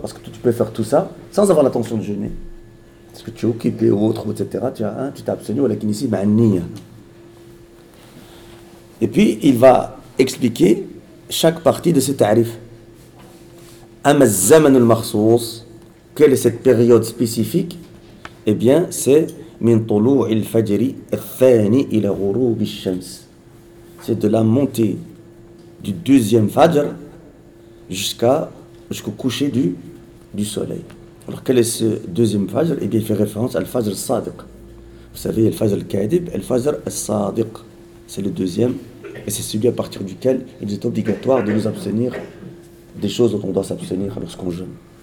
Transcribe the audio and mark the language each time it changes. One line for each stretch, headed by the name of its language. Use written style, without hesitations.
French: Parce que tu peux faire tout ça sans avoir l'intention de jeûner parce que tu es occupé ou autre etc. Tu t'es abstenu mais
Arabic: لكن
French: ici
Arabic: مع النية.
French: Et puis il va expliquer chaque partie de ce ta'rif.
Arabic: أما الزمن المخصوص
French: quelle est cette période spécifique? Eh bien c'est
Arabic: من طلوع الفجر الثاني إلى غروب الشمس.
French: C'est de la montée du deuxième fajr jusqu'au coucher du soleil. Alors quel est ce deuxième fajr? Eh bien il fait référence à
Arabic: الفجر الصادق.
French: Vous savez
Arabic: الفجر الكاذب الفجر الصادق,
French: c'est le deuxième et c'est celui à partir duquel il est obligatoire de nous abstenir des choses dont on doit s'abstenir lorsqu'on jeûne.